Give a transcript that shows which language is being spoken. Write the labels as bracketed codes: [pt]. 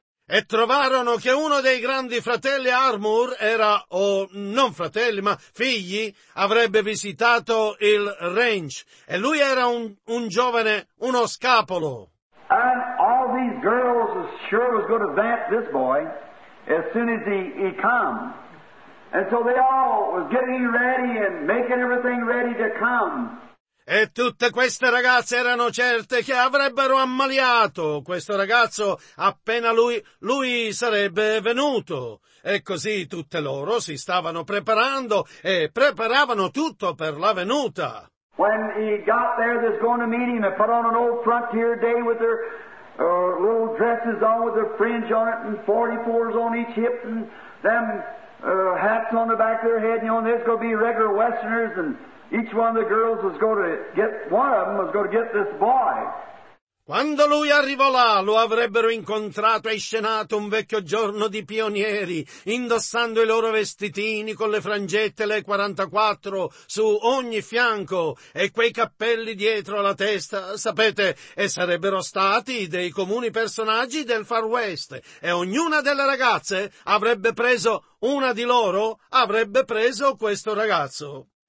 [it] e trovarono che uno dei grandi fratelli Armour era, o non fratelli, ma figli, avrebbe visitato il ranch, e lui era un giovane, uno scapolo. [en] And all these girls sure was going to vamp this boy as soon as he come. And so they all was getting ready and making everything ready to come. [it] E tutte queste ragazze erano certe che avrebbero ammaliato questo ragazzo appena lui sarebbe venuto. E così tutte loro si stavano preparando e preparavano tutto per la venuta. [en] When he got there, they was going to meet him and put on an old frontier day with their little dresses on with their fringe on it and 44s on each hip and them hats on the back of their head, you know, and there's going to be regular Westerners, and each one of the girls was going to get, one of them was going to get this boy. [it] Quando lui arrivò là, lo avrebbero incontrato e scenato un vecchio giorno di pionieri, indossando i loro vestitini con le frangette, le 44 su ogni fianco e quei cappelli dietro la testa, sapete, e sarebbero stati dei comuni personaggi del Far West, e ognuna delle ragazze avrebbe preso una di loro, avrebbe preso questo ragazzo.